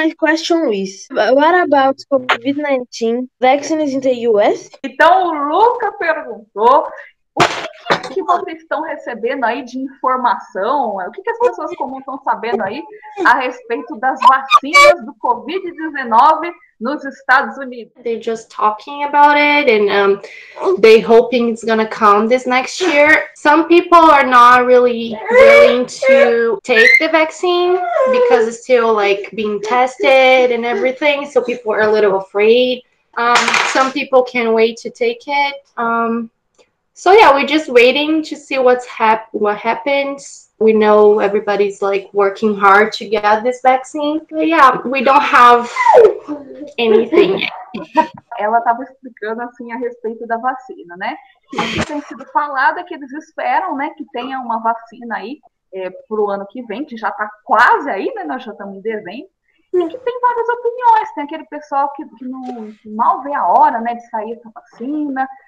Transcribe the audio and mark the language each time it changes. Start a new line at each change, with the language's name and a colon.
English: My question is, what about COVID-19 vaccines in the US?
Portuguese: Então, o Luca perguntou o que vocês estão recebendo aí de informação, o que as pessoas comuns estão sabendo aí a respeito das vacinas do COVID-19 nos Estados Unidos.
English: They're just talking about it and they hoping it's gonna come this next year. Some people are not really willing to take the vaccine because it's still like being tested and everything, so people are a little afraid. Some people can't wait to take it. So yeah, we're just waiting to see what happens. We know everybody's like working hard to get this vaccine. But yeah, we don't have anything yet.
Portuguese: Ela estava explicando assim a respeito da vacina, né? O que tem sido falado é que eles esperam, né, que tenha uma vacina aí para o ano que vem, que já está quase aí, né? Nós já estamos em dezembro. E que tem várias opiniões. Tem aquele pessoal que mal vê a hora, né, de sair essa vacina.